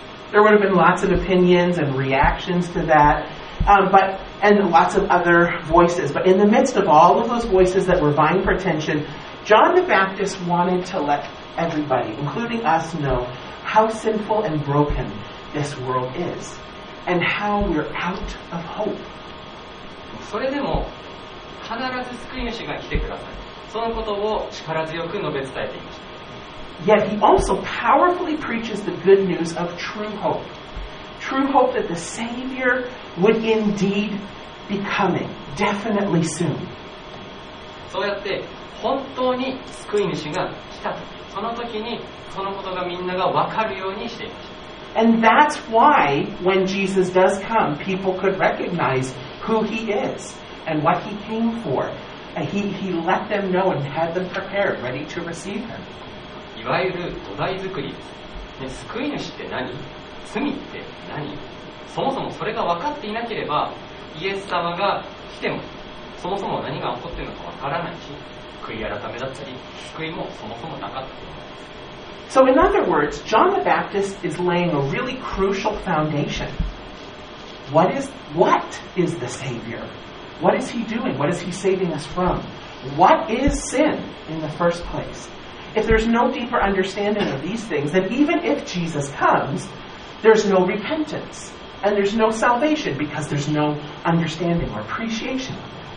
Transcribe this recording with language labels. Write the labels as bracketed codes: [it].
[en] There would have been lots of opinions and reactions to that, but and lots of other voices. But in the midst of all of those voices that were vying for attention, John the Baptist wanted to let everybody, including us, know how sinful and broken this world is, and how we're out of hope. [ja] それでも必ず救い主が来てください。そのことを力強く述べ伝えていました。 [en] Yet he also powerfully preaches the good news of true hope. True hope that the Savior would indeed be coming, definitely soon. [ja] そうやって本当に救い主が来たと、その時にそのことがみんなが分かるようにしていました。 [en] And that's why when Jesus does come, people could recognize who he is and what he came for. He let them know and had them prepared, ready to receive him. [ja] いわゆる土台作りです、ね、救い主って何、罪って何、そもそもそれが分かっていなければイエス様が来てもそもそも何が起こっているのか分からないし、悔い改めだったり救いもそもそもなかったと思います。 [en] So in other words, John the Baptist is laying a really crucial foundation. What is the Savior? What is he doing? What is he saving us from? What is sin in the first place? If there's no deeper understanding of these things, then even if Jesus comes, there's no repentance and there's no salvation because there's no understanding or appreciation of that.